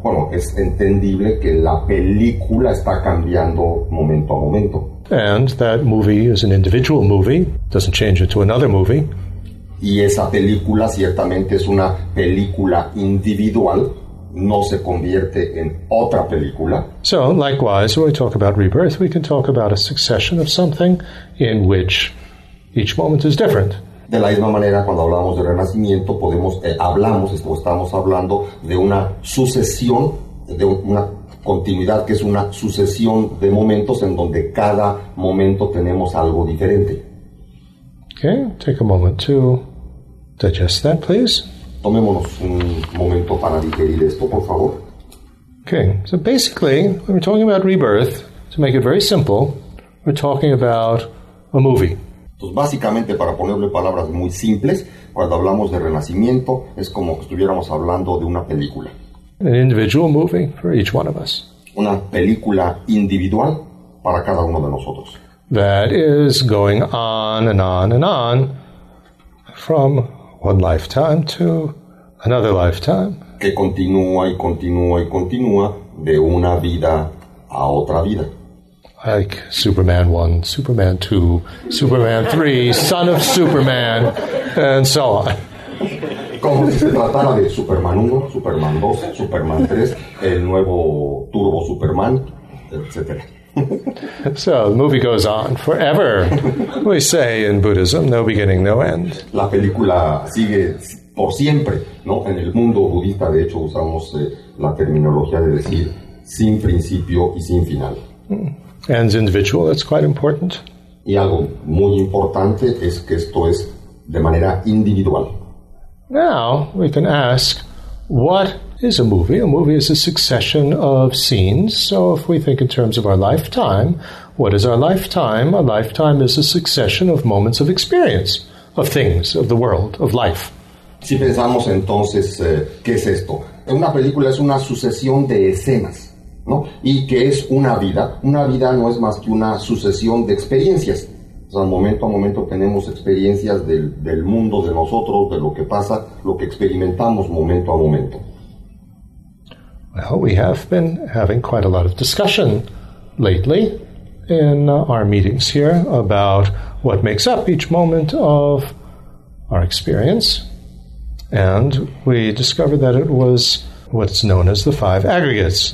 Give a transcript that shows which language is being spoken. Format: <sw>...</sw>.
<es>Bueno, es entendible que la película está cambiando momento a momento.</es> <en>And that movie is an individual movie, doesn't change it to another movie.</en> <es>Y esa película ciertamente es una película individual, no se convierte en otra película.</es> <en>So, likewise, when we talk about rebirth, we can talk about a succession of something in which each moment is different.</en> <es>De la misma manera, cuando hablamos de renacimiento, estamos hablando de una sucesión, de una continuidad que es una sucesión de momentos en donde cada momento tenemos algo diferente.</es> <en>Okay, take a moment to digest that, please.</en> <es>Tomémonos un momento para digerir esto, por favor.</es> <en>Okay, so basically, when we're talking about rebirth, to make it very simple, we're talking about a movie.</en> <es>Entonces, básicamente, para ponerle palabras muy simples, cuando hablamos de renacimiento, es como que estuviéramos hablando de una película.</es> <en>An individual movie for each one of us.</en> <es>Una película individual para cada uno de nosotros.</es> <en>That is going on and on and on from one lifetime to another lifetime.</en> <es>Que continúa y continúa y continúa de una vida a otra vida.</es> <en>Like Superman 1, Superman 2, Superman 3, Son of Superman, and so on.</en> <es>Como si se tratara de Superman 1, Superman 2, Superman 3, el nuevo Turbo Superman, etc.</es> <en>So, the movie goes on forever. We say in Buddhism, no beginning, no end.</en> <es>La película sigue por siempre, ¿no? En el mundo budista, de hecho, usamos la terminología de decir sin principio y sin final.</es> <en>And individual, that's quite important.</en> <es>Y algo muy importante es que esto es de manera individual.</es> <en>Now, we can ask, what is a movie? A movie is a succession of scenes. So if we think in terms of our lifetime, what is our lifetime? A lifetime is a succession of moments of experience, of things, of the world, of life.</en> <es>Si pensamos entonces, ¿qué es esto? Una película es una sucesión de escenas, ¿no? Y que es una vida. Una vida no es más que una sucesión de experiencias. O sea, momento a momento tenemos experiencias del mundo, de nosotros, de lo que pasa, lo que experimentamos momento a momento.</es> <en>Well, we have been having quite a lot of discussion lately in our meetings here about what makes up each moment of our experience. And we discovered that it was what's known as the five aggregates.</en>